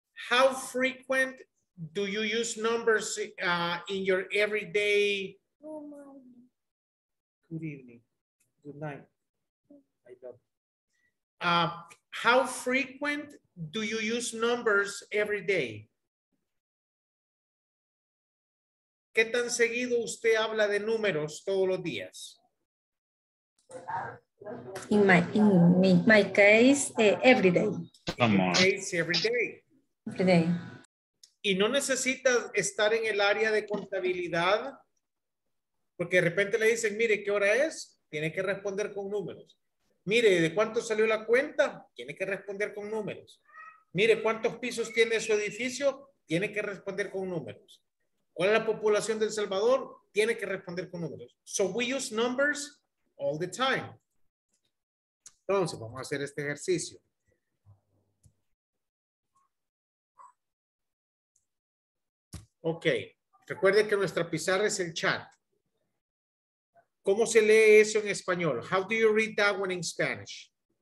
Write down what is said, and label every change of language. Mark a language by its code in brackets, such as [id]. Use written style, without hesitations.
[en] How frequent do you use numbers in your everyday? Good evening. Good night. I love you. How frequent do you use numbers every day? [es] ¿Qué tan seguido usted habla de números todos los días? [en] In my case, every day. Every day. Every day. [es] y no necesitas estar en el área de contabilidad, porque de repente le dicen, mire, ¿qué hora es? Tiene que responder con números. Mire, ¿de cuánto salió la cuenta? Tiene que responder con números. Mire, ¿cuántos pisos tiene su edificio? Tiene que responder con números. ¿Cuál es la población de El Salvador? Tiene que responder con números. [en] So we use numbers all the time. [es] Entonces, vamos a hacer este ejercicio. Ok, recuerde que nuestra pizarra es el chat. ¿Cómo se lee eso en español? [en] How do you read that one in Spanish?